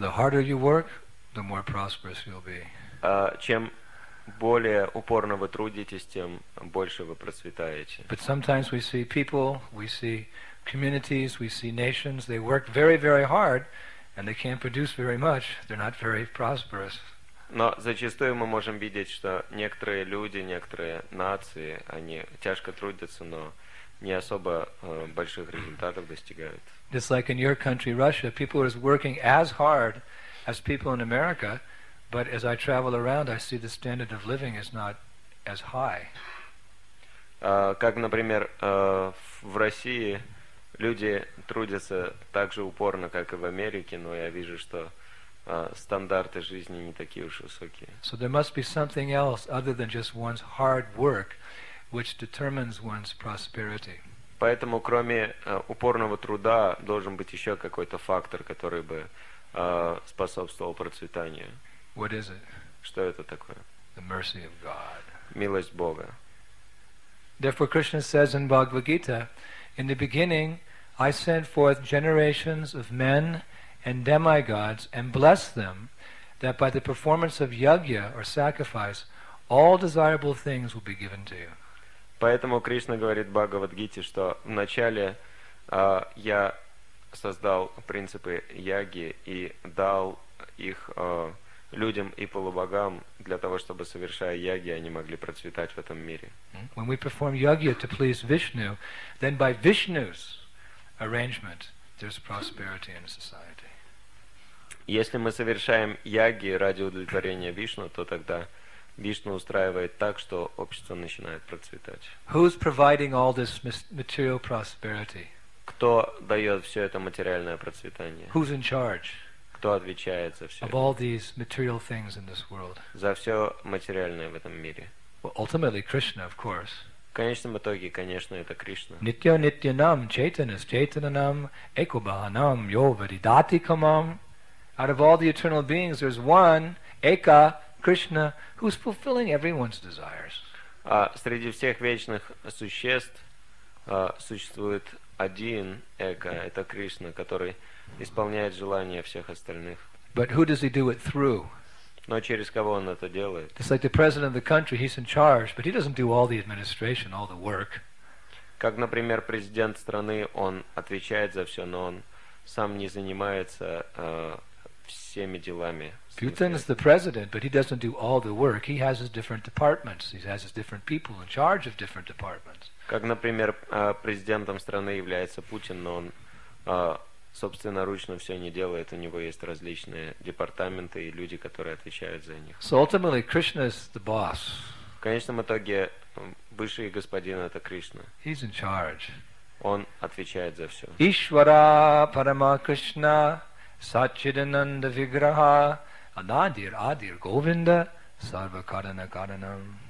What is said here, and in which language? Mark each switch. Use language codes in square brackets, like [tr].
[en] The harder you work, the more prosperous you'll be. [ru] Чем более упорно вы трудитесь, тем больше вы процветаете. [en] But sometimes we see people, we see communities, we see nations, they work very, very hard and they can't produce very much. They're not very prosperous. [ru] Но зачастую мы можем видеть, что некоторые люди, некоторые нации, они тяжко трудятся, но не особо больших результатов достигают. [en] Just like in your country, Russia, people are working as hard as people in America, but as I travel around, I see the standard of living is not as high. [ru] Как, например, в России люди трудятся так же упорно, как и в Америке, но я вижу, что стандарты жизни не такие уж высокие. [en] So there must be something else other than just one's hard work which determines one's prosperity. [ru] Поэтому кроме упорного труда должен быть еще какой-то фактор, который бы способствовал процветанию. [en] What is it? [ru] Что это такое? [en] The mercy of God. [ru] Милость Бога. [en] Therefore Krishna says in Bhagavad Gita, in the beginning I sent forth generations of men and demigods and blessed them that by the performance of yajna or sacrifice all desirable things will be given to you. [ru] Поэтому Кришна говорит в Бхагавад-гите, что вначале я создал принципы яги и дал их людям и полубогам для того, чтобы, совершая яги, они могли процветать в этом мире. [en] When we perform yajna to please Vishnu, then by Vishnu's arrangement there's prosperity in society. [ru] Если мы совершаем яги ради удовлетворения Вишну, то тогда Вишну устраивает так, что общество начинает процветать. [en] Who's providing all this material prosperity? [ru] Кто дает все это материальное процветание? [en] Who's in charge? [ru] Кто отвечает за все? [en] Of all these material things in this world. [ru] За все материальное в этом мире. [en] Well, ultimately, Krishna, of course. [ru] В конечном итоге, конечно, это Кришна. [sa] Nitya nitya nam chaitanas chaitananam ekubhanam yo vridatikamam. [en] Out of all the eternal beings, there's one, Eka, Krishna, who's fulfilling everyone's desires. [ru] Среди всех вечных существ существует один эго, это Кришна, который исполняет желания всех остальных. [en] But who does he do it through? [ru] Но через кого он это делает? [en] It's like the president of the country, he's in charge, but he doesn't do all the administration, all the work. [ru] Как, например, президент страны, он отвечает за все, но он сам не занимается всеми делами. [en] Putin is the president, but he doesn't do all the work. He has his different departments. He has his different people in charge of different departments. [ru] Как, например, президентом страны является Путин, но он собственноручно все не делает. У него есть различные департаменты и люди, которые отвечают за них. [en] So ultimately, Krishna is the boss. [ru] В конечном итоге высший господин — это Кришна. [en] He's in charge. [ru] Он отвечает за все. [sa] Ишвара Парама Кришна Сачидананда Виграха Анадир Адир Говинда Сарвакарана Каранам.